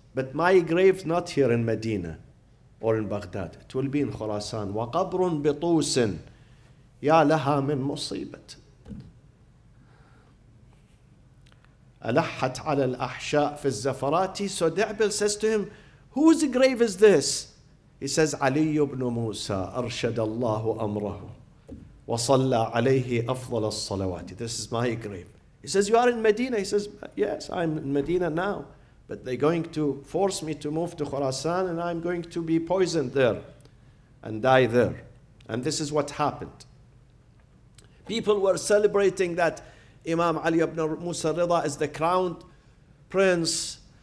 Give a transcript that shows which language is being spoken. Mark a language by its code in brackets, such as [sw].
[en] But my grave not here in Medina or in Baghdad. It will be in Khurasan. [ar] وَقَبْرٌ بِطُوسٍ يَا لَهَا مِنْ مُصِيبَةٍ أَلَحَّتْ عَلَى الْأَحْشَاءِ فِي الزَّفَرَاتِ. [en] So Da'bil says to him, whose grave is this? He says, [ar] علي بن موسى أرشد الله أمره وصلى عليه أفضل الصلوات. [en] This is my grave. He says, you are in Medina. He says, yes, I'm in Medina now. But they're going to force me to move to Khurasan and I'm going to be poisoned there and die there. And this is what happened. People were celebrating that Imam Ali ibn Musa Ridha is the crowned prince.